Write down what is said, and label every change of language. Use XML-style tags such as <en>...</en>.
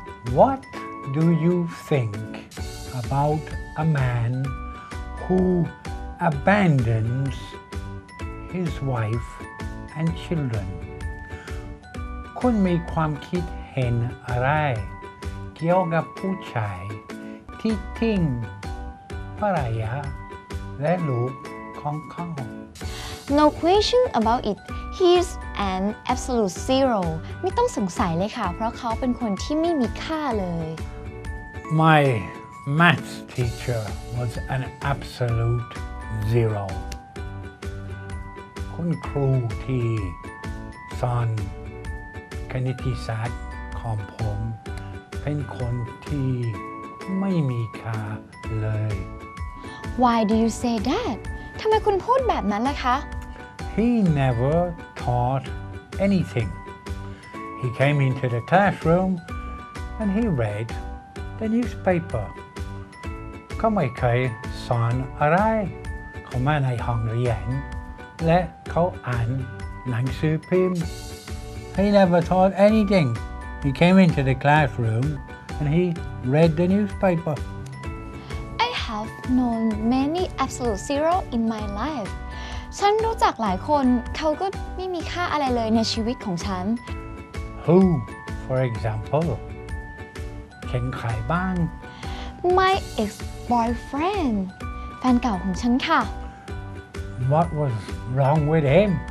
<en>What do you think about a man who abandons his wife and children</en> <th>คุณมีความคิดเห็นอะไรเกี่ยวกับผู้ชายที่ทิ้งภรรยาและลูกของเขา</th> <en>No question about it. He's an absolute zero.</en> <th>ไม่ต้องสงสัยเลยค่ะเพราะเขาเป็นคนที่ไม่มีค่าเลย</th> <en>My math teacher was an absolute zero.</en> <th>คุณครูที่สอนคณิตศาสตร์ของผมเป็นคนที่ไม่มีค่าเลย</th> <en>Why do you say that?</en> <th>ทำไมคุณพูดแบบนั้นล่ะคะ</th> <en>He never taught anything. He came into the classroom and he read the newspaper.</en> <th>ก็ไม่เคยสอนอะไรเขามาในห้องเรียนและเขาอ่านหนังสือพิมพ์</th> <en>He never taught anything. He came into the classroom and he read the newspaper. I have known many absolute zero in my life.</en> <th>ฉันรู้จักหลายคนเขาก็ไม่มีค่าอะไรเลยในชีวิตของฉัน</th> <en>Who, for example?</en> <th>เข็นขายบ้าง</th> <en>My ex-boyfriend</en> <th>แฟนเก่าของฉันค่ะ</th> <en>What was wrong with him?</en>